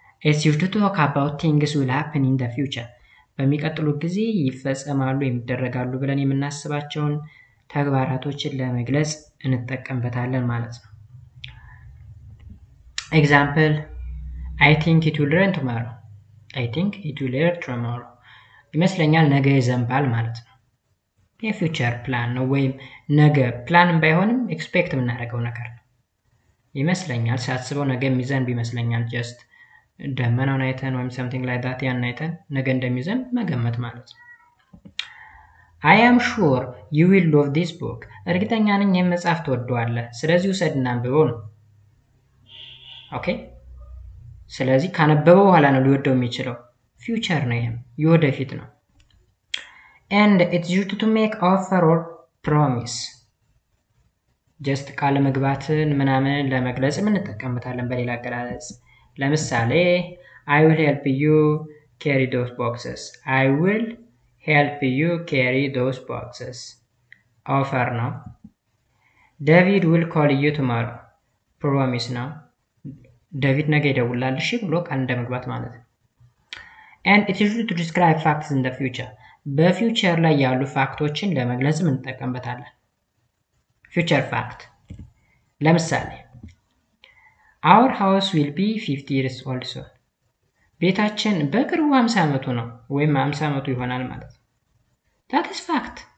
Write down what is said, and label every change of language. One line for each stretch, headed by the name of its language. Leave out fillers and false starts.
English: it's used to talk about things will happen in the future
Amharic: በሚቀጥሉ ጊዜ ይፈጸማሉ ይደረጋሉ ብለን የምናስባቸውን ተግባራቶችን ለመግለጽ እንጠቀምበታለን ማለት ነው
English: example I think it will rain tomorrow I think it will rain tomorrow
Amharic: ይመስለኛል ነገ ይዘንባል ማለት ነው የፊውቸር ፕላን ነው ወይም ነገ ፕላንም ባይሆንም ኤክስፔክት የምናደርገው ነገር ነው ይመስለኛል። ሳስበው ነገ የሚዘንብ ይመስለኛል። ጀስት ደመናውን አይተን ወይም ሰምቲንግ ላይ ዳት ያን አይተን ነገ እንደሚዘንብ መገመት ማለት ነው።
English: አይ አም ሹር ዩ ዊል ሎቭ ዲስ ቡክ፣
Amharic: እርግጠኛ ነኝ ይህን መጽሐፍ ትወደዋለህ፣ ስለዚህ ውሰድና አንብበው ነው። ኦኬ፣ ስለዚህ ካነበበው በኋላ ነው ሊወደው የሚችለው። ፊውቸር ነው ይህም የወደፊት ነው።
English: And it's due to make offer or promise.
Amharic: Just ቃለ መግባትን ምናምን ለመግለጽ እንጠቀምበታለን በሌላ አገላለጽ። ለምሳሌ
English: I will help you carry those boxes. I will help you carry those boxes. Offer ነው። David will call you tomorrow.
Amharic: Promise ነው። ዳቪድ ነገ ይደውላልሽ ብሎ ቃል እንደመግባት ማለት ነው።
English: And it's used to describe facts in the future.
Amharic: በፊውቸር ላይ ያሉ ፋክቶችን ለመግለጽ እንጠቀምበታለን። ፊውቸር ፋክት ለምሳሌ
English: Our house will be 50 years old soon.
Amharic: ቤታችን በቅርቡ 50 ዓመቱ ነው ወይም 50 ዓመቱ ይሆናል ማለት ነው።
English: That is fact.